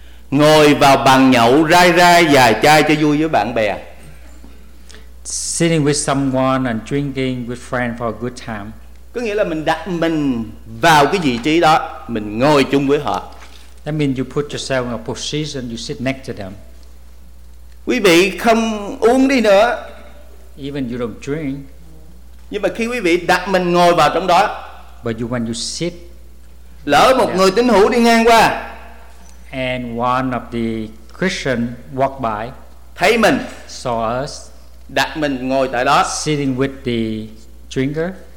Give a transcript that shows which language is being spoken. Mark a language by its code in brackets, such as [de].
[vi] Ngồi vào bàn nhậu rai rai dài chai cho vui với bạn bè. [en] Sitting with someone and drinking with friend for a good time. [vi] Có nghĩa là mình đặt mình vào cái vị trí đó, mình ngồi chung với họ. [en] That means you put yourself in a position, you sit next to them. [vi] Quý vị không uống đi nữa. [en] Even you don't drink. [vi] Nhưng mà khi quý vị đặt mình ngồi vào trong đó, [en] But you, when you sit, [vi] lỡ một người tín hữu đi ngang qua, [en] and one of the Christian walk by, [vi] thấy mình, [en] saw us, [vi] đặt mình ngồi tại đó, [en] sitting with the drinker,